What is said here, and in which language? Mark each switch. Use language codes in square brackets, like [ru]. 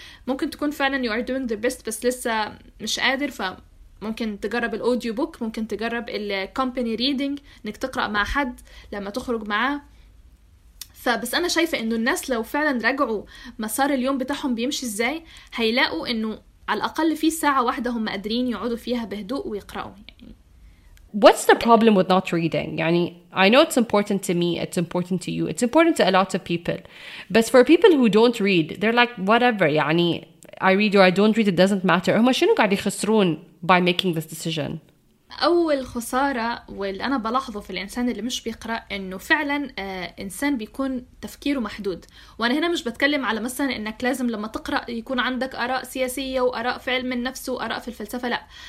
[ar] ممكن تكون فعلا [en] you are doing their best [ar] بس لسه مش قادر، فممكن تجرب الأوديو بوك، ممكن تجرب الكمباني ريدينج، أنك تقرأ مع حد لما تخرج معاه. فبس أنا شايفة أنه الناس لو فعلا رجعوا مسار اليوم بتاعهم بيمشي إزاي، هيلاقوا أنه على الأقل في ساعة واحدة هم قادرين يقعدوا فيها بهدوء ويقرأوا. يعني [en] what's the problem with not reading? [ar] يعني [en] I know it's important to me, it's important to you, it's important to a lot of people. But for people who don't read, they're like, whatever, [ar] يعني [en] I read or I don't read, it doesn't matter. [ar] هما شنو قاعد يخسرون [en] by making this decision؟ [ar] أول خسارة واللي أنا بلاحظه في الإنسان اللي مش بيقرأ إنه فعلا إنسان بيكون تفكيره محدود. وأنا هنا مش بتكلم على مثلا إنك لازم لما تقرأ يكون عندك آراء سياسية وآراء في علم النفس وآراء في الفلسفة، لا.